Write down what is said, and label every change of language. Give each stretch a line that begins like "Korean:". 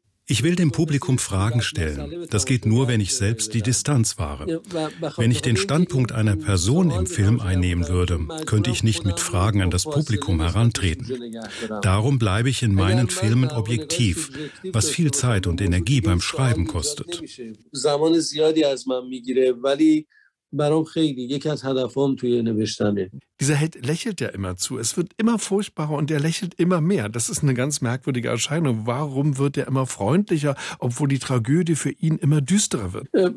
German: Ich will dem Publikum Fragen stellen. Das geht nur, wenn ich selbst die Distanz wahre. Wenn ich den Standpunkt einer Person im Film einnehmen würde, könnte ich nicht mit Fragen an das Publikum herantreten. Darum bleibe ich in meinen Filmen objektiv, was viel Zeit und Energie beim Schreiben kostet.
Persian: برام خیلی یکی از هدفام توی نوشتنه
German: Dieser Held lächelt ja immer zu. Es wird immer furchtbarer und er lächelt immer mehr. Das ist eine ganz merkwürdige Erscheinung. Warum wird er immer freundlicher, obwohl die Tragödie für ihn immer düsterer wird?